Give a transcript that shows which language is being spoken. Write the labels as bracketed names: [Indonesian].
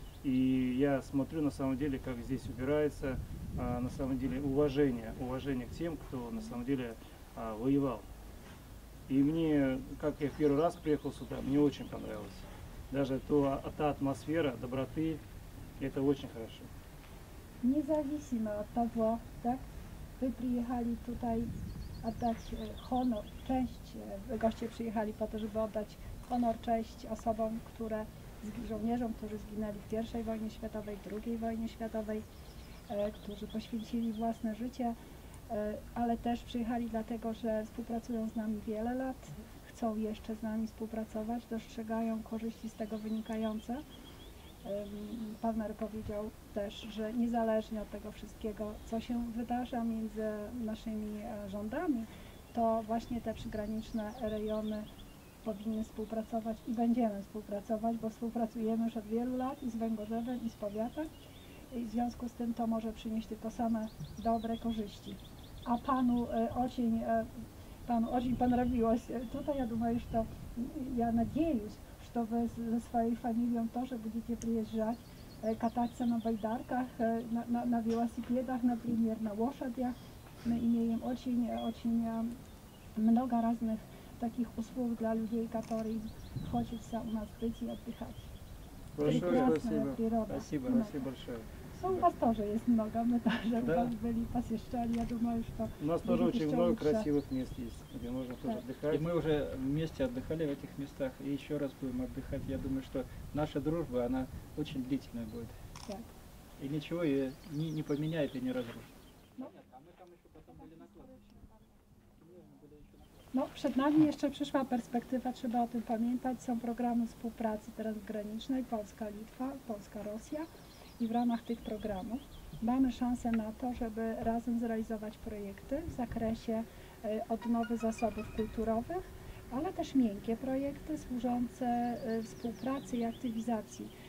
[Russian] И я смотрю на самом деле, как здесь убирается, на самом деле уважение к тем, кто на самом деле воевал. И мне, как я первый раз приехал сюда, мне очень понравилось. Даже та атмосфера доброты, это очень хорошо. Независимо от того, так, вы приехали тутай отдать [Polish] honor, cześć, goście przyjechali po to, żeby oddać honor, cześć osobom, które, żołnierzom, którzy zginęli w pierwszej wojnie światowej, drugiej wojnie światowej, którzy poświęcili własne życie, ale też przyjechali dlatego, że współpracują z nami wiele lat, chcą jeszcze z nami współpracować, dostrzegają korzyści z tego wynikające. Pan mer powiedział też, że niezależnie od tego wszystkiego, co się wydarza między naszymi rządami, to właśnie te przygraniczne rejony powinny współpracować i będziemy współpracować, bo współpracujemy już od wielu lat i z Węgorzewem, i z powiatem. I w związku z tym to może przynieść tylko same dobre korzyści. A panu Osień [Russian] понравилось. [Polish] Tutaj ja [Russian] думаю, [Polish] że ja [Russian] надеюсь, что вы со своей фамилией тоже будете приезжать, кататься на байдарках, на велосипедах, например, на лошадях. Мы имеем очень много разных таких услуг для людей, которые хочется у нас быть и отдыхать. Большое прекрасная спасибо. Природа. Спасибо, Мэр. Спасибо большое. У вас тоже есть много, мы тоже у вас были посещали, я думаю, что... У нас тоже очень много лучше. Красивых мест есть, где можно тоже отдыхать. И мы уже вместе отдыхали в этих местах, и еще раз будем отдыхать. Я думаю, что наша дружба, она очень длительная будет. Так. И ничего ее не поменяет и не разрушит. [Polish] No, przed nami jeszcze przyszła perspektywa, trzeba o tym pamiętać. Są programy współpracy teraz granicznej, Polska-Litwa, Polska-Rosja. I w ramach tych programów mamy szansę na to, żeby razem zrealizować projekty w zakresie odnowy zasobów kulturowych, ale też miękkie projekty służące współpracy i aktywizacji.